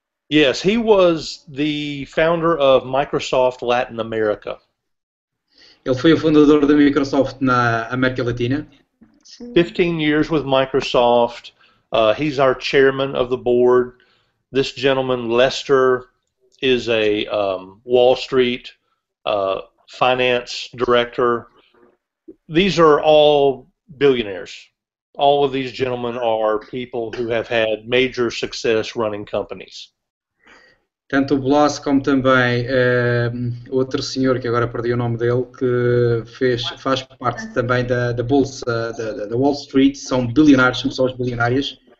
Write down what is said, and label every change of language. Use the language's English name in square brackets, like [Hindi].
[English] Yes, he was the founder of Microsoft Latin America. [Portuguese] Ele foi o fundador da Microsoft na América Latina. [English] 15 years with Microsoft. He's our chairman of the board. This gentleman, Lester, is a Wall Street finance director. These are all billionaires. All of these gentlemen are people who have had major success running companies. [Portuguese] Tanto o Blas como também outro senhor, que agora perdi o nome dele, que faz parte também da bolsa, da Wall Street, são bilionários, são pessoas bilionárias.